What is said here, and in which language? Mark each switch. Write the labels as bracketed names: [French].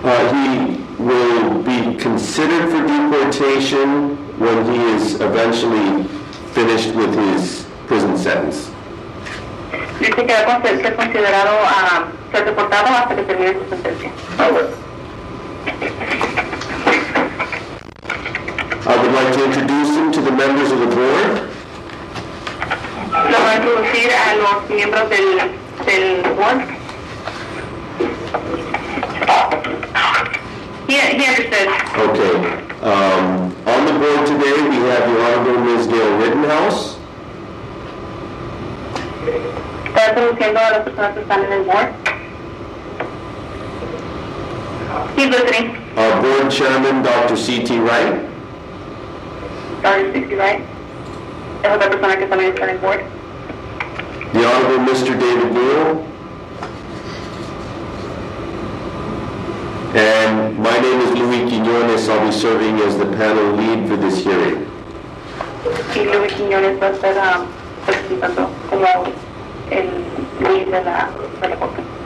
[English] He will be considered for deportation when he is eventually finished with his prison sentence. [Spanish] Dice que va a ser considerado ser deportado hasta que termine su sentencia. [English] I would like to introduce him to the members of the board. [Spanish] Lo voy a introducir a los miembros del board. [English] He understood. Okay. On the board today, we have the Honorable Ms. Gail Rittenhouse. [Spanish] Está introduciendo a las personas que están en el board. [English] He's listening. Our board chairman, Dr. C.T. Wright. Dr. C.T. Wright. Dr. Sonic is on the attorney board. The Honorable Mr. David Newell. And my name is Luis Quiñones. I'll be serving as the panel lead for this hearing. [Spanish] Luis Quiñones va a ser participando como el lead de la corte.